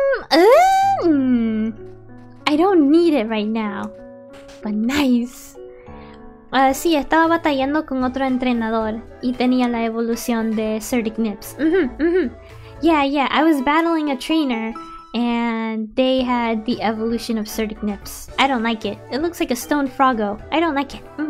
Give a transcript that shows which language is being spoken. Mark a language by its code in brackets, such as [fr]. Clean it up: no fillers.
[en] I don't need it right now, but nice. [es] Sí, estaba batallando con otro entrenador y tenía la evolución de Cerdic Nips. [en] Yeah. I was battling a trainer, and they had the evolution of Cerdic Nips. I don't like it. It looks like a stone froggo. I don't like it.